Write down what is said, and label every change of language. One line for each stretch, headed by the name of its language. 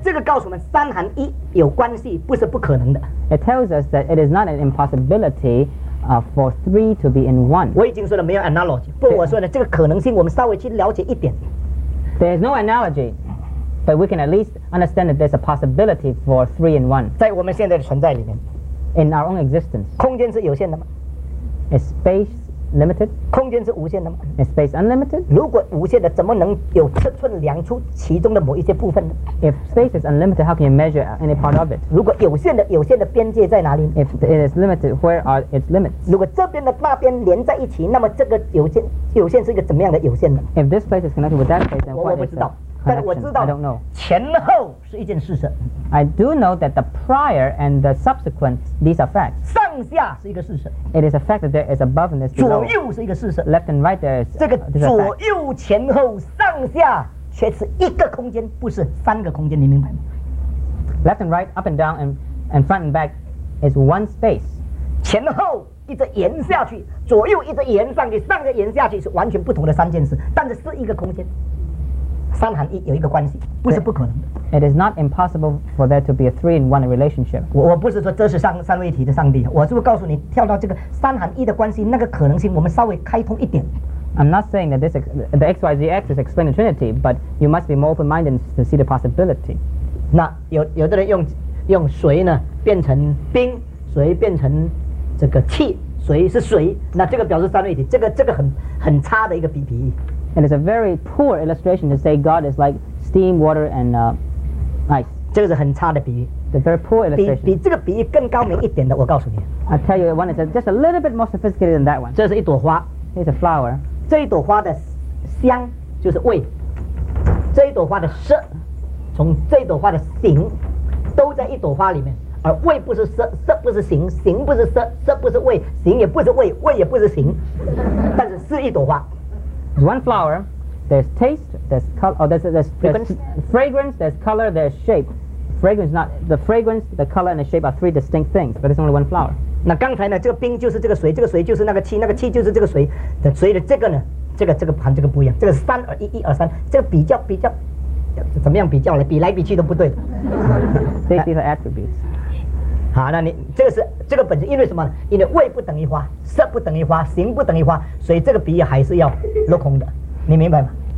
Chinese: 这个告诉我们三含一有关系不是不可能的。
English: It tells us that it is not an impossibility for three to be in one.
Chinese: 我已经说了没有 analogy, 不过我说了这个可能性我们稍微去了解一点。
English: There is no analogy, but we can at least understand that there's a possibility for three in one.
Chinese: 在我们现在的存在里面。
English: In our own existence.
Chinese: 空间是有限的吗？
English: Is space limited?
Chinese: 空间是无限的吗？
English: Is space unlimited?
Chinese: 如果无限的，怎么能有尺寸量出其中的某一些部分呢？
English: If space is unlimited, how can you measure any part of it?
Chinese: 如果有限的，有限的边界在哪里？
English: If it is limited, where are its limits?
Chinese: 如果这边的那边连在一起，那么这个有限是一个怎么样的有限呢？
English: If this place is connected with that place, then what is the connection?
Chinese: 我不知道，但我知道，
English: I don't know.
Chinese: 前后是一件事实。
English: I do know that the prior and the subsequent, these are facts.
Chinese: 上下是一个事实。
English: It is a fact that there is above and there is below.
Chinese: 左右是一个事实。
English: Left and right, there is a fact.
Chinese: 这个左右前后上下却是一个空间，不是三个空间，你明白吗？
English: Left and right, up and down, and front and back is one space.
Chinese: 前后一直延下去，左右一直延上去，上下延下去是完全不同的三件事，但是是一个空间。三含一有一个关系，不是不可能的。
English: It is not impossible for there to be a three-in-one relationship.
Chinese: 我不是说这是三位一体的上帝，我是不是告诉你跳到这个三含一的关系那个可能性，我们稍微开通一点。
English: I'm not saying that this the X Y Z axis explains the Trinity, but you must be more open-minded to see the possibility.
Chinese: 那有的人用水呢变成冰，水变成这个气，水是水，那这个表示三位一体，这个很差的一个比喻。
English: And it's a very poor illustration to say God is like steam, water, and ice.
Chinese: 这个是很差的比喻。
English: It's a very poor illustration.
Chinese: 比这个比喻更高明一点的，我告诉你。
English: I tell you one that's just a little bit more sophisticated than that one.
Chinese: 这是一朵花。
English: It's a flower.
Chinese: 这一朵花的香就是味。这一朵花的色，从这一朵花的形，都在一朵花里面。而味不是色，色不是形，形不是色，色不是味，形也不是味，味也不是形，但是是一朵花。
English: There's one flower, there's taste, there's color, oh, there's fragrance, there's color, there's shape. Fragrance, not, the fragrance, the color, and the shape are three distinct things, but it's only one flower.
Chinese: 那刚才呢，这个冰就是这个水，这个水就是那个气，那个气就是这个水。所以这个呢，这个盘这个不一样，这个三而一，一而三，这个比较，怎么样比较呢？比来比去都不对的。
English: These are attributes.
Chinese: 好，那你这个本身，因为什么？因为味不等于花，色不等于花，形不等于花，所以这个比喻还是要落空的，你明白吗？